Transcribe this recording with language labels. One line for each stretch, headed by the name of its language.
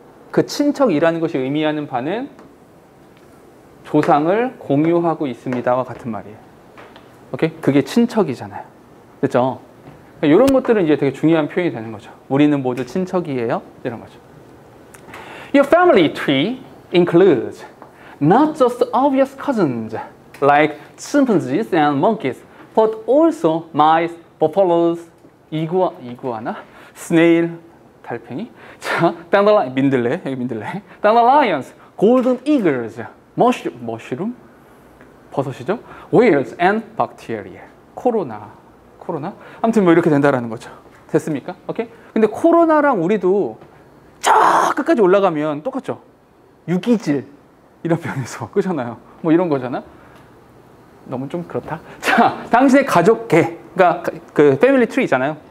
Korean: 그 친척이라는 것이 의미하는 바는 조상을 공유하고 있습니다와 같은 말이에요. 오케이? 그게 친척이잖아요. 그렇죠? 이런 것들은 이제 되게 중요한 표현이 되는 거죠. 우리는 모두 친척이에요. 이런 거죠.
English: Your family tree includes not just obvious cousins like chimpanzees and monkeys, but also mice, buffaloes, iguana, snail,
Korean: 달팽이, 민들레,
English: dandelions, golden eagles, mushroom.
Korean: 버섯이죠?
English: Whales and bacteria. 코로나?
Korean: 아무튼 뭐 이렇게 된다라는 거죠. 됐습니까? 오케이? 근데 코로나랑 우리도 저 끝까지 올라가면 똑같죠? 유기질. 이런 면에서 끄잖아요. 뭐 이런 거잖아? 너무 좀 그렇다. 자, 당신의 가족계가 그 패밀리 트리 있잖아요.